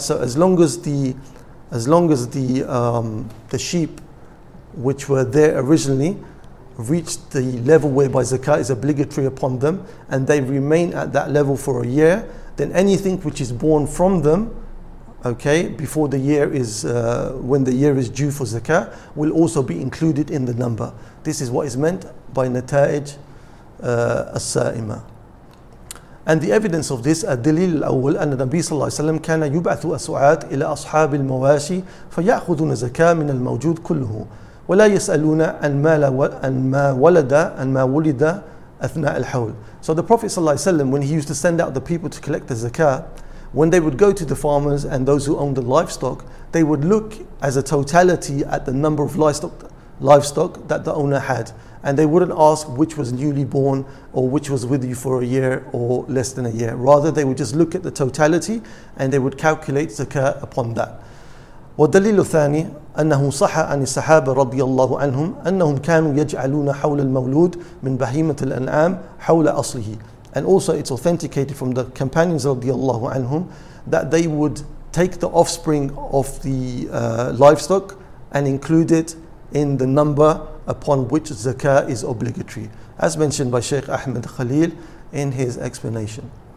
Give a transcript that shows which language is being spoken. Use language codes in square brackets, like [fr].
[en] So as long as the sheep which were there originally reach the level whereby zakat is obligatory upon them, and they remain at that level for a year, then anything which is born from them, okay, before the year is when the year is due for zakat, will also be included in the number. This is what is meant by nataij as-sa'ima. And the evidence of this, [ar] الدليل الأول أن النبي صلى الله عليه وسلم كان يبعث أسعاة إلى أصحاب المواشي فيأخذون زكاة من الموجود كله ولا يسألون أن ما ولد أثناء الحول. [en] So the Prophet [ar] صلى الله عليه وسلم, [en] when he used to send out the people to collect the zakah, when they would go to the farmers and those who owned the livestock, they would look as a totality at the number of livestock that the owner had. And they wouldn't ask which was newly born or which was with you for a year or less than a year. Rather, they would just look at the totality and they would calculate zakah upon that. [ar] والدليل الثاني أنه صح عن الصحابة رضي الله عنهم أنهم كانوا يجعلون حول المولود من بهيمة الأنعام حول أصله. [en] And also it's authenticated from the companions [ar] رضي الله عنهم [en] that they would take the offspring of the livestock and include it in the number upon which zakah is obligatory, as mentioned by Sheikh Ahmed Khalil in his explanation.